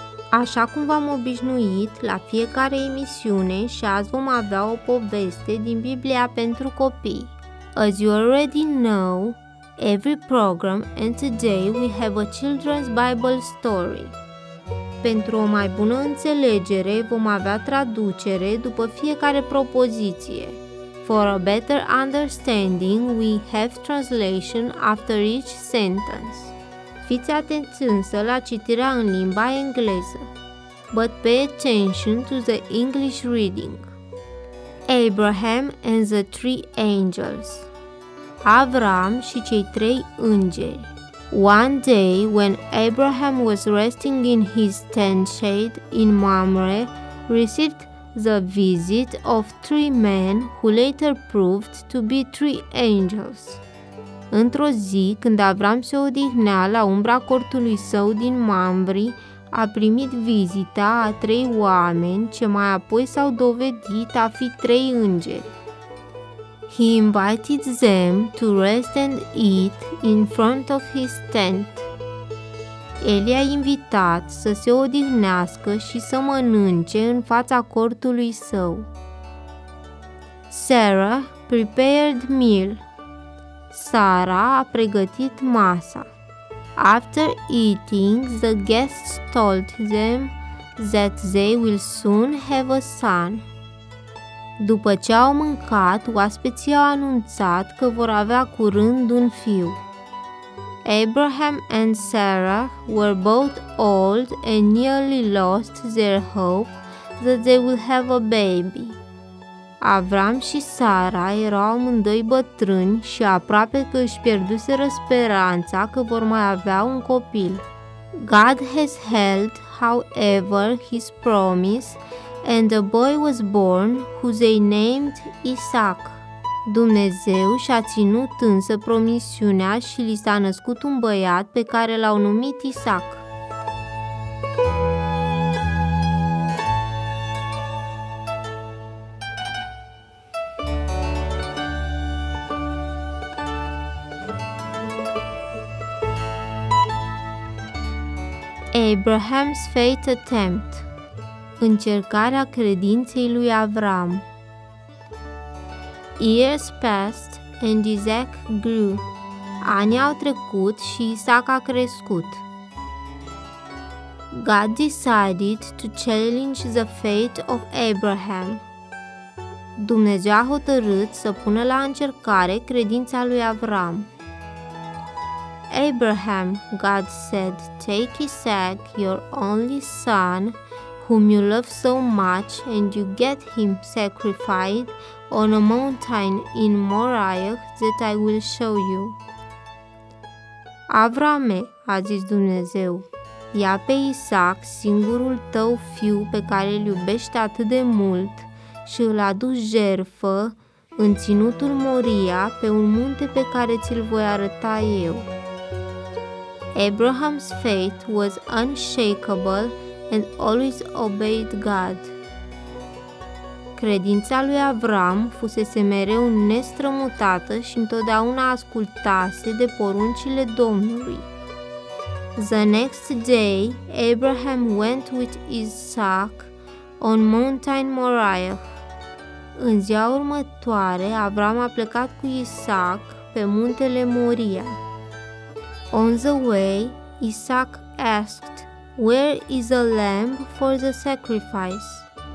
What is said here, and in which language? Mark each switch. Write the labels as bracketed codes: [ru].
[ro] Așa cum v-am obișnuit, la fiecare emisiune și azi vom avea o poveste din Biblia pentru copii. [en] As you already know, every program and today we have a children's Bible story. [ro] Pentru o mai bună înțelegere, vom avea traducere după fiecare propoziție. [en] For a better understanding, we have translation after each sentence. [ro] Fiți atenți însă la citirea în limba engleză. [en] But pay attention to the English reading. Abraham and the three angels. [ro] Avram și cei trei îngeri. [en] One day when Abraham was resting in his tent shade in Mamre, received the visit of three men who later proved to be three angels. [ro] Într-o zi, când Avram se odihnea la umbra cortului său din Mamre, a primit vizita a trei oameni ce mai apoi s-au dovedit a fi trei îngeri. [en] He invited them to rest and eat in front of his tent. [ro] El i-a invitat să se odihnească și să mănânce în fața cortului său. [en] Sarah prepared meal. [ro] Sara a pregătit masa. [en] After eating, the guests told them that they will soon have a son. [ro] După ce au mâncat, oaspeții au anunțat că vor avea curând un fiu. [en] Abraham and Sarah were both old and nearly lost their hope that they will have a baby. [ro] Avram și Sara erau amândoi bătrâni și aproape că își pierduseră speranța că vor mai avea un copil. [en] God has held, however, his promise, and a boy was born, who they named Isaac. [ro] Dumnezeu și-a ținut însă promisiunea și li s-a născut un băiat pe care l-au numit Isaac. [en] Abraham's faith attempt. [ro] Încercarea credinței lui Avram. [en] Years passed and Isaac grew. [ro] Anii au trecut și Isaac a crescut. [en] God decided to challenge the faith of Abraham. [ro] Dumnezeu a hotărât să pună la încercare credința lui Avram. [en] Abraham, God said, take Isaac, your only son, whom you love so much, and you get him sacrificed on a mountain in Moriah that I will show you. [ro] Avrame, a zis Dumnezeu, ia pe Isaac, singurul tău fiu pe care îl iubești atât de mult, și îl aduci jertfă în ținutul Moria, pe un munte pe care ți-l voi arăta eu. [en] Abraham's faith was unshakable and always obeyed God. [ro] Credința lui Avram fusese mereu nestrămutată și întotdeauna ascultase de poruncile Domnului. [en] The next day, Abraham went with Isaac on Mountain Moriah. [ro] În ziua următoare, Avram a plecat cu Isaac pe muntele Moria. [en] On the way, Isaac asked, "Where is a lamb for the sacrifice?"